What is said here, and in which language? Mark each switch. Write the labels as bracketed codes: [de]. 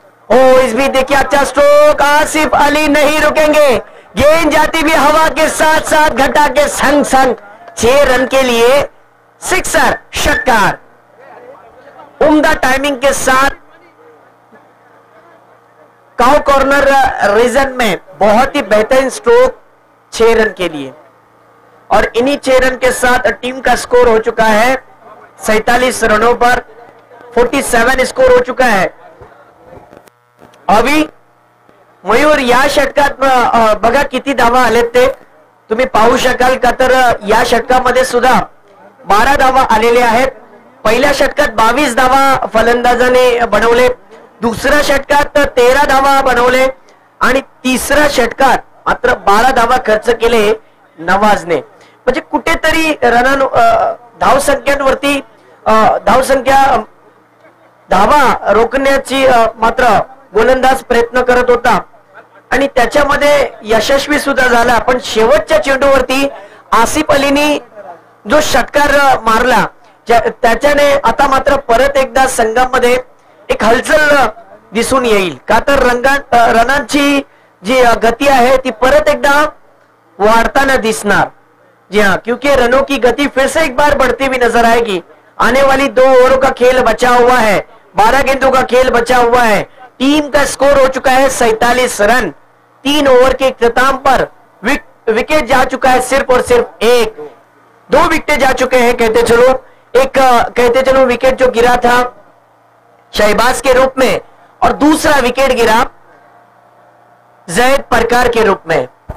[hi] ओ इस भी देखिए अच्छा स्ट्रोक, आसिफ अली नहीं रुकेंगे, गेंद जाती भी हवा के साथ साथ घटा के संग संग, छह रन के लिए सिक्सर शटकार, उम्दा टाइमिंग के साथ काउ कॉर्नर रीजन में बहुत ही बेहतरीन स्ट्रोक, 6 रन के लिए, और इन्हीं 6 रन के साथ टीम का स्कोर हो चुका है 47 रनों पर, 47 स्कोर हो चुका है। [mr] अभी मयूर या षटकात बघा किती धावा आलेत ते तुम्ही पाहू शकाल का, तर या षटकामध्ये सुद्धा 12 धावा आलेले आहेत। पहिल्या षटकात 22 धावा फलंदाजाने बनवले, दुसऱ्या षटकात 13 धावा बनवले, आणि तिसऱ्या षटकात मात्र 12 धावा खर्च केले नवाजने। म्हणजे कुठेतरी रना धावसंख्यांवरती धावसंख्या धावा रोखण्याची मात्र गोलंदाज प्रयत्न करत होता आणि त्याच्यामध्ये यशस्वी सुद्धा झाला, पण शेवटच्या चेंडूवरती आसिफ अलीनी जो षटकार मारला त्याच्याने आता मात्र परत एकदा संघामध्ये एक हलचल दिसून येईल का, तर रनांची जी गती आहे ती परत एकदा वाढताना दिसणार जी हा, [hi] क्योंकि रनों की गती फिर से एक बार बढ़ती हुई नजर आएगी। आने वाली 2 ओवरों का खेल बचा हुआ है, 12 गेंदों का खेल बचा हुआ है, टीम का स्कोर हो चुका है 47 रन, 3 ओवर के इख्तिताम पर विकेट जा चुका है सिर्फ और सिर्फ 1, 2 विकेट जा चुके हैं कहते चलो, एक कहते चलो विकेट जो गिरा था शहबाज के रूप में और दूसरा विकेट गिरा जैद परकार के रूप में।